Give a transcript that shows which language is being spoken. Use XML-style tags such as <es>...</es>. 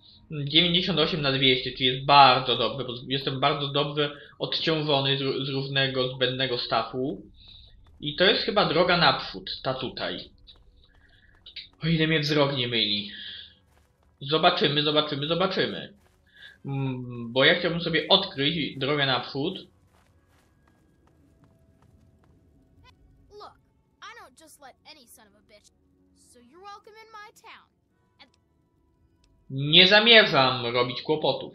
<pl>...98 na 200, czyli jest bardzo dobre, bo jestem bardzo dobrze odciążony z różnego zbędnego stafu. I to jest chyba droga naprzód, ta tutaj. O ile mnie wzrok nie myli. Zobaczymy, zobaczymy, zobaczymy. Bo ja chciałbym sobie odkryć drogę na wschód.</pl> <en>Look, I don't just let any son of a bitch. So you're welcome in my town.</en> <pl>Nie zamierzam robić kłopotów.</pl>